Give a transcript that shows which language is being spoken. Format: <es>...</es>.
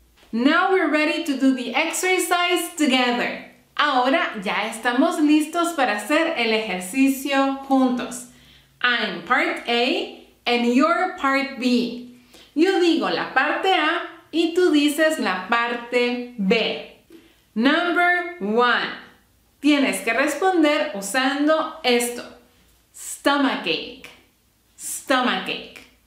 <en>Now we're ready to do the exercise together.</en> <es>Ahora ya estamos listos para hacer el ejercicio juntos.</es> <en>I'm part A and you're part B.</en> <es>Yo digo la parte A y tú dices la parte B.</es> <en>Number one.</en> <es>Tienes que responder usando esto.</es> <en>Stomachache. Stomachache.</en>